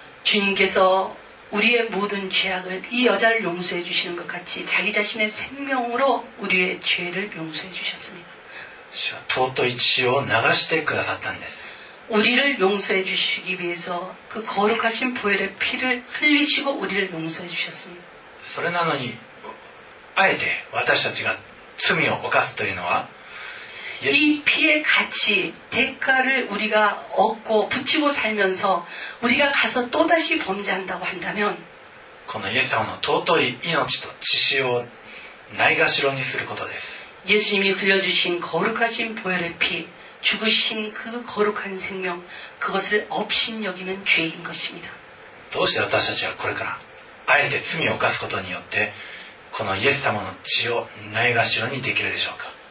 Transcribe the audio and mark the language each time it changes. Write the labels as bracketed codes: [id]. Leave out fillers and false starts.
[ko] 주님께서우리의모든죄악을이여자를용서해주시는것같이자기자신의생명으로우리의죄를용서해주셨습니다 [ja] 主は尊い血を流してくださったんです [ko] 우리를용서해주시기위해서그거룩하신보혈의피를흘리시고우리를용서해주셨습니다 [ja] それなのにあえて私たちが罪を犯すというのは [ko] 이피의가치대가를우리가얻고붙이고살면서우리가가서또다시범죄한다고한다면 [ja] この예수様の尊い命と血潮をないがしろにすることです [ko] 예수님이흘려주신거룩하신보혈의피죽으신그거룩한생명그것을업신여기는죄인것입니다 [ja] どうして私たちはこれからあえて罪を犯すことによってこの예수様の血をないがしろにできるでしょうか